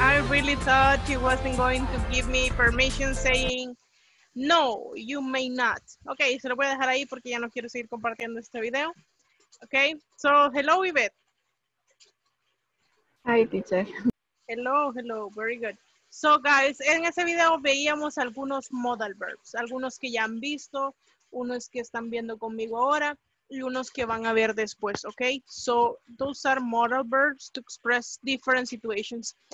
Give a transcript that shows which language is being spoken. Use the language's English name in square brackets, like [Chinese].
[English] I really thought he wasn't going to give me permission saying no, you may not. [Spanish] Ok, se lo voy a dejar ahí porque ya no quiero seguir compartiendo este video. [English] Ok, so hello Yvette. Hi teacher. Hello, hello, very good. [Spanish] So guys, en ese video veíamos algunos modal verbs, algunos que ya han visto, unos que están viendo conmigo ahora. Y unos que van a ver después, ¿ok? [English] So, those are modal verbs to express different situations.